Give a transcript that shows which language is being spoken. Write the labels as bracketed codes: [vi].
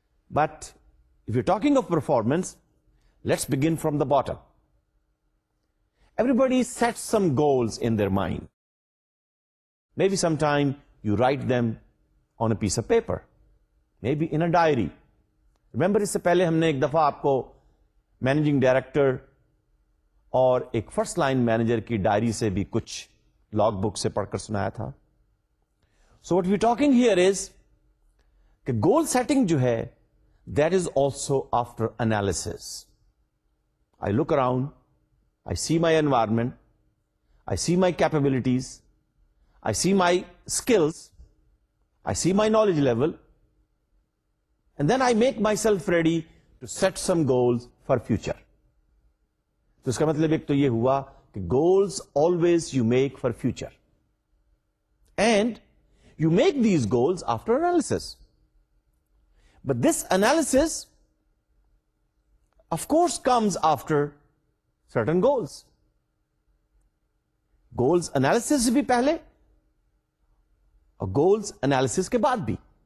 [en] But if you're talking of performance, let's begin from the bottom. Everybody sets some goals in their mind. Maybe sometime you write them on a piece of paper. Maybe in a diary. Remember, [ur] اس سے پہلے ہم نے ایک دفعہ آپ کو managing director اور ایک first line manager کی diary سے بھی کچھ log book سے پڑھ کر سنایا تھا. [en] So what we're talking here is [ur] کہ [en] goal setting [ur] جو ہے [en] that is also after analysis. I look around, I see my environment, I see my capabilities, I see my skills, I see my knowledge level, and then I make myself ready to set some goals for future. [ur] تو اس کا مطلب ایک تو یہ ہوا کہ [en] goals always you make for future. And you make these goals after analysis. But this analysis, of course, comes after certain goals. [ur] Goals analysis بھی پہلے اور goals analysis کے بعد بھی.